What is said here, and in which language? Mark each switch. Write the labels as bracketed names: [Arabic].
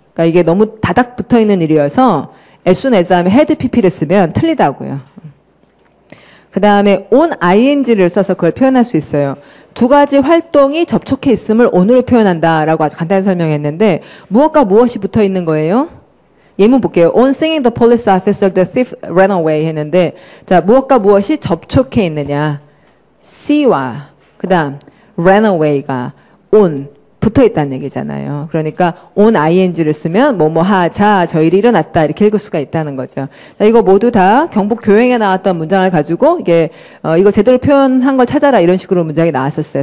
[Korean] 그러니까 이게 너무 다닥 붙어 있는 일이어서 as soon as 다음에 head pp를 쓰면 틀리다고요. 그 다음에 on ing를 써서 그걸 표현할 수 있어요. 두 가지 활동이 접촉해 있음을 on으로 표현한다라고 아주 간단히 설명했는데, 무엇과 무엇이 붙어 있는 거예요? 예문 볼게요. [English] On seeing the police officer, the thief ran away [Korean] 했는데, 자, 무엇과 무엇이 접촉해 있느냐? see와, 그 다음, ran away가 on, 붙어 있다는 얘기잖아요. 그러니까 on ing를 쓰면 뭐뭐 하자, 저 일이 일어났다, 이렇게 읽을 수가 있다는 거죠. 자, 이거 모두 다 경북 교행에 나왔던 문장을 가지고 이게 이거 제대로 표현한 걸 찾아라, 이런 식으로 문장이 나왔었어요.